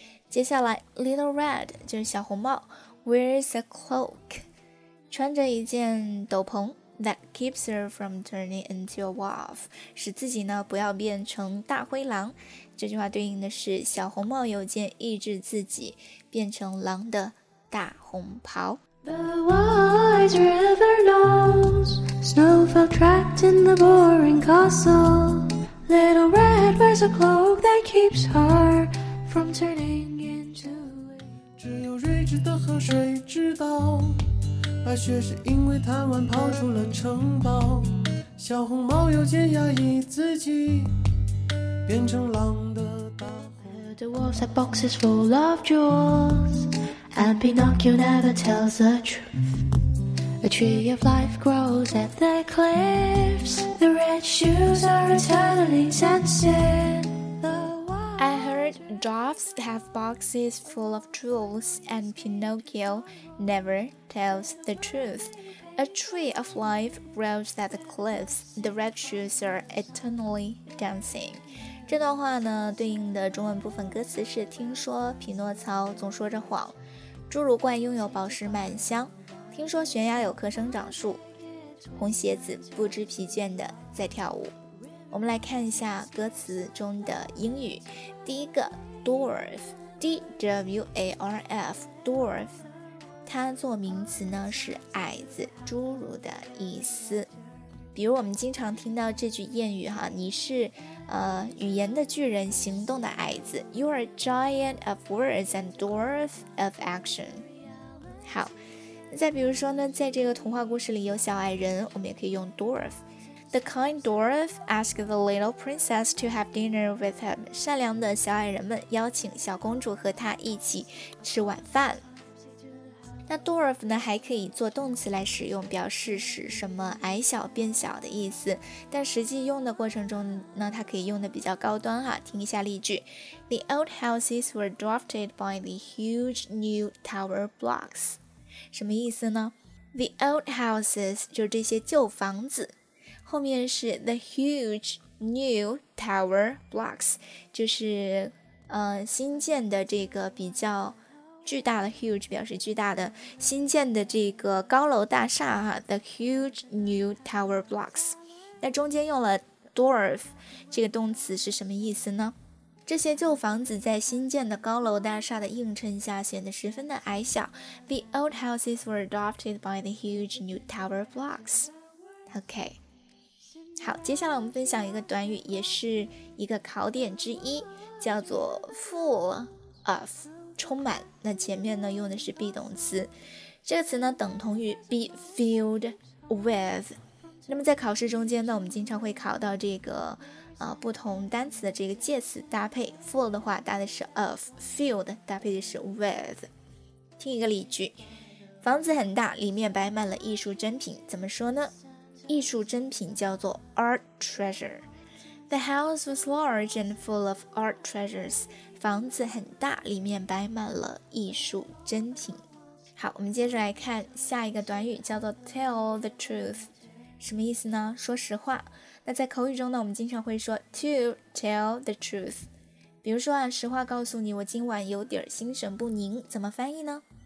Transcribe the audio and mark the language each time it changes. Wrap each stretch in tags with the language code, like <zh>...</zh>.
<zh>接下来</zh> <en>Little Red</en> <zh>就是小红帽，</zh> <en>Wears a cloak，</en> <zh>穿着一件斗篷。</zh> <en>That keeps her from turning into a wolf，</en> <zh>使自己呢不要变成大灰狼。这句话对应的是，小红帽有件抑制自己变成狼的大红袍。</zh> <en>The wise river knows snow fell trapped in the boring castle. Little Red wears a cloak that keeps her from turning into a.</en> <zh>只有睿智的河水知道，白雪是因为贪玩跑出了城堡。小红帽有件压抑自己变成狼的大红袍。</zh> <en>Heard the walls have boxes full of jewels. And Pinocchio never tells the truth. A tree of life grows at the cliffs. The red shoes are eternally dancing. I heard dwarfs have boxes full of jewels. And Pinocchio never tells the truth. A tree of life grows at the cliffs. The red shoes are eternally dancing.</en> <zh>这段话呢对应的中文部分歌词是，听说匹诺曹总说着谎，侏儒怪拥有宝石满箱，听说悬崖有棵生长树，红鞋子不知疲倦地在跳舞。我们来看一下歌词中的英语。第一个 dwarf， D-W-A-R-F， dwarf， 它做名词呢是矮子、侏儒的意思。比如我们经常听到这句谚语哈，你是语言的巨人，行动的矮子。</zh> <en>You are giant of words and dwarf of action。</en> <zh>好，再比如说呢，在这个童话故事里有小矮人，我们也可以用 dwarf。</zh> <en>The kind dwarf asked the little princess to have dinner with him，</en> <zh>善良的小矮人们邀请小公主和她一起吃晚饭。那 dwarf 呢还可以做动词来使用，表示使什么矮小变小的意思，但实际用的过程中呢它可以用的比较高端哈。听一下例句。</zh> <en>The old houses were dwarfed by the huge new tower blocks。</en> <zh>什么意思呢？</zh> <en>The old houses</en> <zh>就是这些旧房子，后面是</zh> <en>the huge new tower blocks，</en> <zh>就是新建的这个比较巨大的 huge 表示巨大的，新建的这个高楼大厦哈 ，the huge new tower blocks。那中间用了 dwarf 这个动词是什么意思呢？这些旧房子在新建的高楼大厦的映衬下显得十分的矮小。</zh> <en>The old houses were dwarfed by the huge new tower blocks。</en> <zh>OK， 好，接下来我们分享一个短语，也是一个考点之一，叫做</zh> <en>full of。</en> <zh>充满，那前面呢用的是 be 动词，这个词呢等同于</zh> <en>be filled with。</en> <zh>那么在考试中间呢，我们经常会考到这个不同单词的这个介词搭配， full 的话搭的是 of， filled 搭配的是 with。听一个例句。房子很大，里面摆满了艺术珍品，怎么说呢？艺术珍品叫做 art treasure。</zh> <en>The house was large and full of art treasures。</en> <zh>房子很大，里面摆满了艺术珍品。好，我们接着来看下一个短语，叫做</zh> <en>tell the truth。</en> <zh>什么意思呢？说实话。那在口语中呢，我们经常会说</zh> <en>to tell the truth。</en> <zh>比如说啊，实话告诉你，我今晚有点心神不宁，怎么翻译呢？</zh>